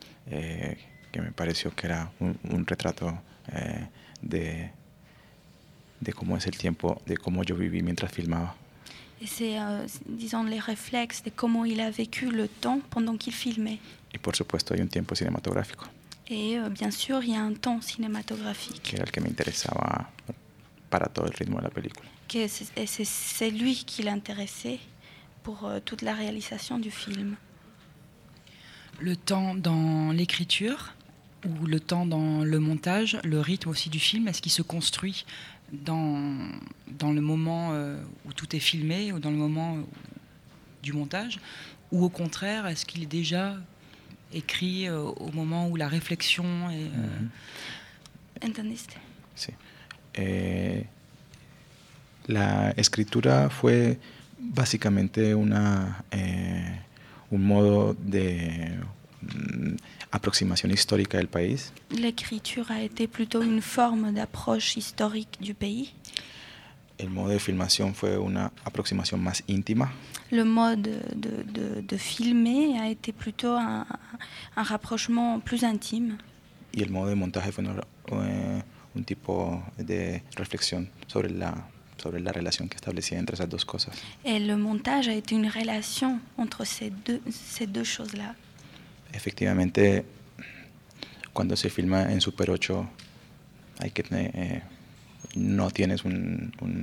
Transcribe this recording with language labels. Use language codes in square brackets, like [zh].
[es] Que me pareció que era un retrato de cómo es el tiempo, de cómo yo viví mientras filmaba. Es, digamos, los reflejos de cómo él ha [fr] vécu [es] el tiempo [fr] pendant qu'il filmait. [es] Y por supuesto hay un tiempo cinematográfico. [fr] Et bien sûr, il y a un temps cinématographique. Qui est le que m'intéressait pour tout le rythme de [es] la película. [fr] Et c'est lui qui l'intéressait pour toute la réalisation du film. Le temps dans l'écriture ou le temps dans le montage, le rythme aussi du film, est-ce qu'il se construit dans le moment où tout est filmé ou dans le moment du montage, ou au contraire, est-ce qu'il est déjà écrit au moment où la réflexion est... [es] Entendiste. Sí. La escritura fue básicamente un modo de aproximación histórica del país. [fr] L'écriture a été plutôt une forme d'approche historique du pays. [es] El modo de filmación fue una aproximación más íntima. [fr] Le mode de filmer a été plutôt un rapprochement plus intime. [es] Y el modo de montaje fue un tipo de reflexión sobre la relación que establecía entre esas dos cosas. [fr] Et le montage a été une relation entre ces deux choses-là. [es] Efectivamente, cuando se filma en Super 8, hay que tener... no tienes un